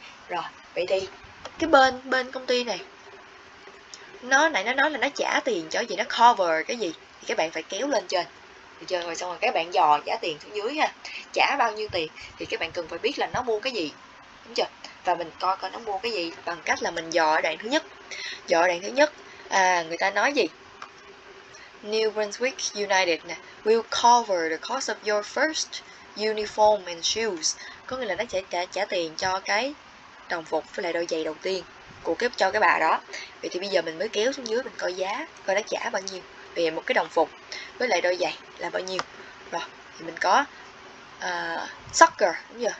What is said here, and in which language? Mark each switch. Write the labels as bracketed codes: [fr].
[vi] Rồi vậy thì cái bên bên công ty này, nó nãy nó nói là nó trả tiền cho gì, nó cover cái gì, thì các bạn phải kéo lên trên. Được chưa? Rồi xong rồi các bạn dò trả tiền xuống dưới ha, trả bao nhiêu tiền thì các bạn cần phải biết là nó mua cái gì, đúng chưa? Và mình coi coi nó mua cái gì bằng cách là mình dò ở đoạn thứ nhất. Dò đoạn thứ nhất, à, người ta nói gì? [en] New Brunswick United nè, will cover the cost of your first uniform and shoes. [vi] Có nghĩa là nó sẽ trả tiền cho cái đồng phục với lại đôi giày đầu tiên của cái cho cái bà đó. Vậy thì bây giờ mình mới kéo xuống dưới mình coi giá, coi nó trả bao nhiêu. Vì một cái đồng phục với lại đôi giày là bao nhiêu. Rồi, thì mình có soccer, đúng chưa?